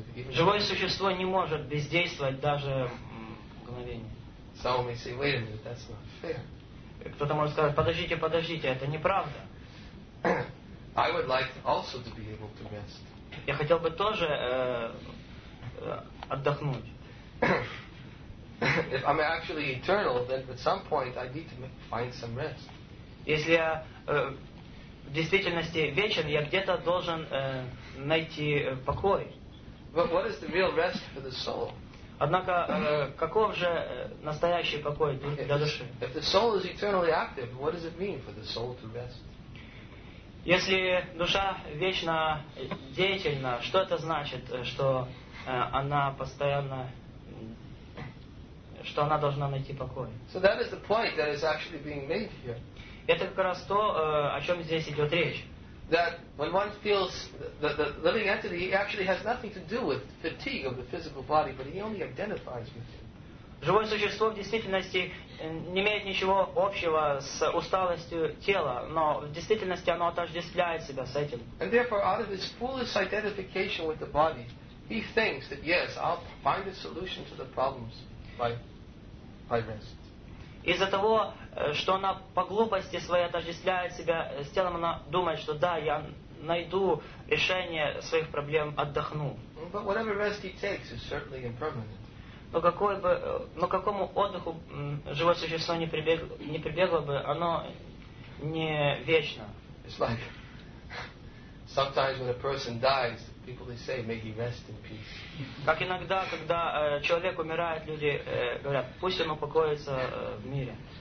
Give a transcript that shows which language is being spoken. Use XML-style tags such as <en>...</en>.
<ru>Живое существо не может бездействовать даже мгновение.</ru> <en>Some may say, wait a minute, that's not fair.</en> <ru>Кто-то может сказать, подождите, подождите, это неправда.</ru> <en>I would like also to be able to rest.</en> <ru>Я хотел бы тоже отдохнуть.</ru> <en>If I'm actually eternal, then at some point I need to find some rest.</en> <ru>Если я в действительности вечен, я где-то должен найти покой.</ru> <en>But what is the real rest for the soul?</en> <ru>Однако, каков же настоящий покой для души?</ru> <en>If the soul is eternally active, what does it mean for the soul to rest?</en> <ru>Если душа вечно деятельна, что это значит, что она постоянно, что она должна найти покой?</ru> <en>So that is the point that is actually being made here.</en> <ru>Это как раз то, о чем здесь идет речь.</ru> <en>That when one feels the living entity actually has nothing to do with fatigue of the physical body, but he only identifies with it.</en> <ru>Живое существо в действительности не имеет ничего общего с усталостью тела, но в действительности оно отождествляет себя с этим.</ru> <en>And therefore, out of his foolish identification with the body, he thinks that yes, I'll find a solution to the problems by rest.</en> <ru>Из-за того, что она по глупости своей отождествляет себя с телом, она думает, что да, я найду решение своих проблем, отдохну.</ru> <en>But whatever rest he takes is certainly impermanent.</en> <ru>Но какому отдыху живое существо не прибегло бы, оно не вечно.</ru> <en>It's like sometimes when a person dies, people they say, may he rest in peace.</en> <ru>Как иногда, когда человек умирает, люди говорят, пусть он упокоится в мире.</ru>